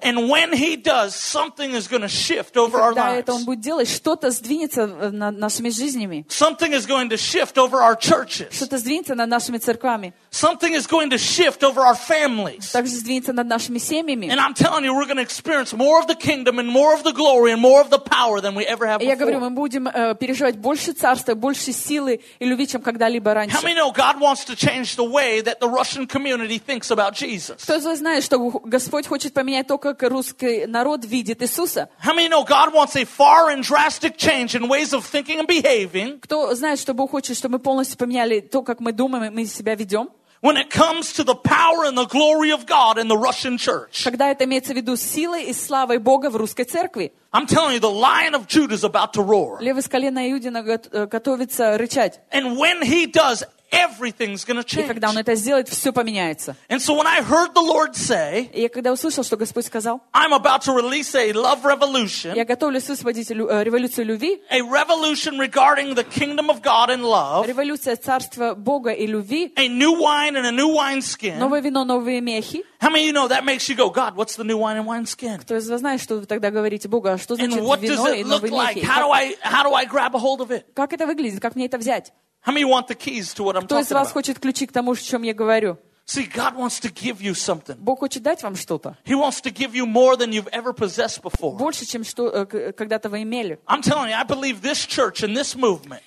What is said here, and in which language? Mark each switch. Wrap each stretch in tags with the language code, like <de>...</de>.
<en>And when he does, something is going to shift over our lives.</en> <ru>И когда это он будет делать, что-то сдвинется над нашими жизнями.</ru> <en>Something is going to shift over our churches.</en> <ru>Что-то сдвинется над нашими церквами.</ru> <en>Something is going to shift over our families.</en> <ru>Также сдвинется над нашими семьями.</ru> <en>And I'm telling you, we're going to experience more of the kingdom and more of the glory and more of the power than we ever have before.</en> <ru>Я говорю, мы будем переживать больше царства, больше силы и любви, чем когда-либо раньше.</ru> <en>How many know God wants to change the way that the Russian community thinks about Jesus?</en> <ru>Кто же знает, что Господь хочет поменять то, как русский народ видит Иисуса?</ru> <en>How many know God wants a far and drastic change in ways of thinking and behaving?</en> <ru>Кто знает, что Бог хочет, чтобы мы полностью поменяли то, как мы думаем и мы себя ведем?</ru> <en>When it comes to the power and the glory of God in the Russian church.</en> <ru>Когда это имеется в виду силы и славы Бога в русской церкви.</ru> <en>I'm telling you, the lion of Judah is about to roar.</en> <ru>Лев из колена Иудина готовится рычать.</ru> <en>And when he does, everything's going to change.</en> <ru>И когда он это сделает, все поменяется.</ru> <en>And so when I heard the Lord say,</en> <ru>я когда услышал, что Господь сказал,</ru> <en>I'm about to release a love revolution.</en> <ru>Я готовлюсь высвободить революцию любви.</ru> <en>A revolution regarding the kingdom of God and love.</en> <ru>Революция царства Бога и любви.</ru> <en>A new wine and a new wineskin.</en> <ru>Новое вино, новые мехи.</ru> <en>How many of you know that makes you go, God, what's the new wine and wineskin?</en> <ru>Кто из вас знает, что вы тогда говорите, Бога, что значит вино и новые мехи?</ru> <en>And what does it look like? How do I grab a hold of it?</en> <ru>Как это выглядит? Как мне это взять?</ru> <en>How many want the keys to what I'm talking about?</en> <ru>Кто из вас хочет ключи к тому, о чем я говорю?</ru> <en>See, God wants to give you something.</en> <ru>Бог хочет дать вам что-то.</ru> <en>He wants to give you more than you've ever possessed before.</en> <ru>Больше, чем что когда-то вы имели.</ru> <en>I'm telling you, I believe this church and this movement.</en>